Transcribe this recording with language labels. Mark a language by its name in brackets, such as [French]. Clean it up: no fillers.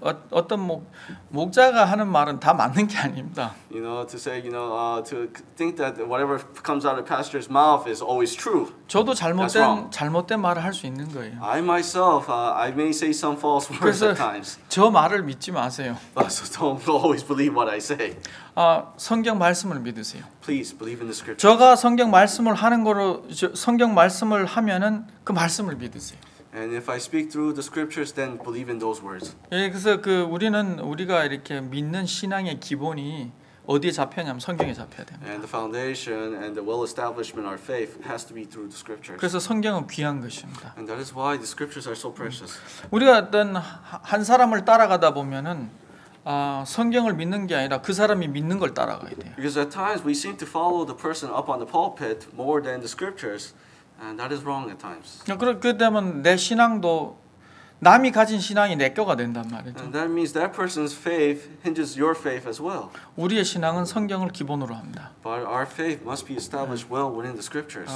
[Korean] 어떤 목자가 하는 말은 다 맞는 게 아닙니다. [English] You know, to say, you know, to think that whatever comes out of a pastor's mouth is always true. [Korean] 저도 잘못된 말을 할 수 있는 거예요. [English] I myself, I may say some false words at times. [Korean] 저 말을 믿지 마세요. [English] So don't always believe what I say. [Korean] 성경 말씀을 믿으세요. [English] Please believe in the scripture. [Korean] 제가 성경 말씀을 하는 거로 성경 말씀을 하면은 그 말씀을 믿으세요. [English] And if I speak through the scriptures, then believe in those words. [Korean] 예, 그래서 그 우리가 이렇게 믿는 신앙의 기본이 어디에 잡혀냐면 성경에 잡혀야 됩니다. [English] And the foundation and the well establishment of our faith has to be through the scriptures. [Korean] 그래서 성경은 귀한 것입니다. [English] And that is why the scriptures are so precious. [Korean] 우리가 어떤 한 사람을 따라가다 보면은 성경을 믿는 게 아니라 그 사람이 믿는 걸 따라가야 돼요. [English] Because at times we seem to follow the person up on the pulpit more than the scriptures. And that is wrong at times. [Korean] 그렇다면 내 신앙도 남이 가진 신앙이 내 거가 된단 말이죠. [English] And that means that person's faith hinges your faith as well. [Korean] 우리의 신앙은 성경을 기본으로 합니다. [English] But our faith must be established well within the scriptures.